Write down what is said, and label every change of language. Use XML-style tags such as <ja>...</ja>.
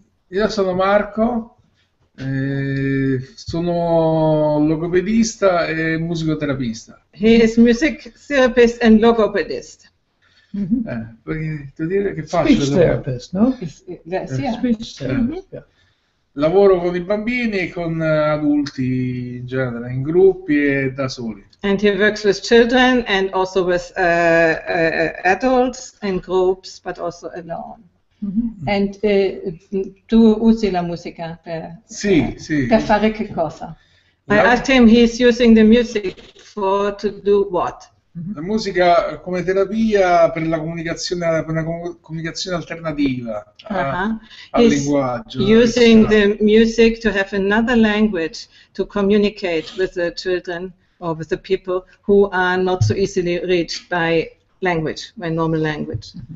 <it>Io sono Marco, sono logopedista e musicoterapista.</it> <en>He is music therapist and logopedist.</en> <it>Puoi dire che faccio?</it> <en>Speech therapist, no? Speech therapist.</en> <it>Lavoro con i bambini e con adulti in genere, in gruppi e da soli.</it> <en>And he works with children and also with adults in groups, but also alone. Mm-hmm. And</en> <it>tu usi la musica per, sì, sì. Per fare che cosa?</it> <en>Yeah. I asked him, he's using the music for to do what?</en> <it>La musica come terapia per la comunicazione, alternativa uh-huh. al linguaggio.</it> <en>Using the music to have another language to communicate with the children. Or with the people who are not so easily reached by language, by normal language.</en>